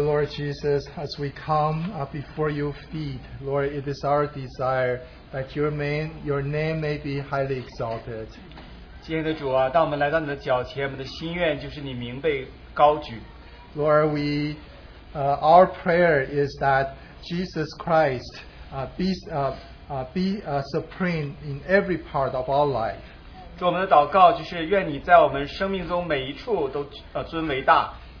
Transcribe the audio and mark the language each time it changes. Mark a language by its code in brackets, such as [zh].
[en] Jesus, as we come before your feet, Lord, it is our desire that your name may be highly exalted. [zh] 亲爱的主啊, 当我们来到你的脚前, 我们的心愿就是你名被高举。 [en] Lord, our prayer is that Jesus Christ be supreme in every part of our life. [zh] 主我们的祷告就是愿你在我们生命中每一处都 尊为大。